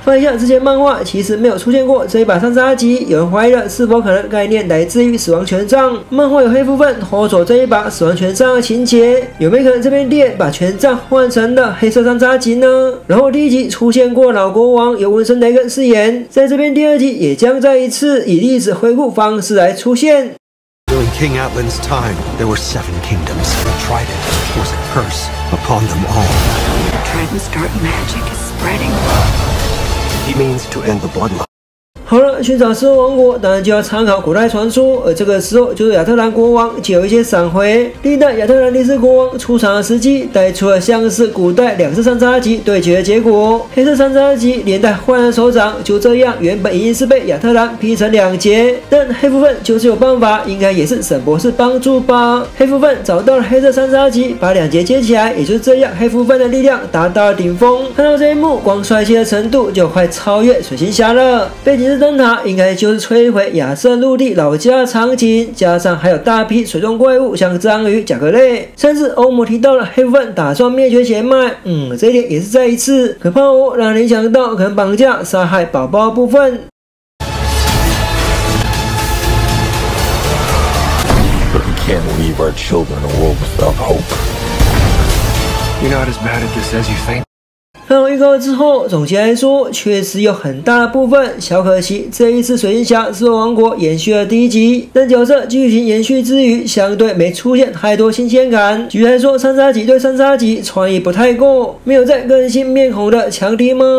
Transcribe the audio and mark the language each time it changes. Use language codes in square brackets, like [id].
[zh] 放一下之前漫画其实没有出现过这一把三叉戟，有人怀疑了是否可能概念来自于死亡权杖。漫画有黑部分拖走这一把死亡权杖的情节，有没有可能这边店把权杖换成了黑色三叉戟呢？然后第一集出现过老国王，由文森雷根饰演，在这边第二集也将再一次以历史回顾方式来出现。 [en] During King Atlan's time, there were seven kingdoms. The Trident was a curse upon them all. Trident's dark magic is spreading. He means to end the bloodline. [zh] 好了，寻找狮王王国当然就要参考古代传说，而这个时候就是亚特兰国王就有一些闪回。历代亚特兰蒂斯国王出场的时机带出了像是古代两色三叉戟对决的结果，黑色三叉戟连带坏人手掌，就这样原本已经是被亚特兰劈成两截，但黑部分就是有办法，应该也是沈博士帮助吧。黑部分找到了黑色三叉戟，把两截接起来，也就是这样黑部分的力量达到了顶峰。看到这一幕，光帅气的程度就快超越水行侠了。背景是灯塔应该就是摧毁亚瑟陆地老家的场景，加上还有大批水中怪物，像章鱼、甲壳类，甚至欧姆提到了黑部分打算灭绝血脉。这一点也是再一次可怕哦，让人想到可能绑架杀害宝宝的部分。 [en] But we can't leave our children a world without hope. You're not as bad at this as you think. [zh] 看完预告之后，总结来说确实有很大的部分，小可惜这一次水行侠狮王国延续了第一集，但角色剧情延续之余相对没出现太多新鲜感。举例来说，三叉戟对三叉戟创意不太够，没有再更新面孔的强敌吗？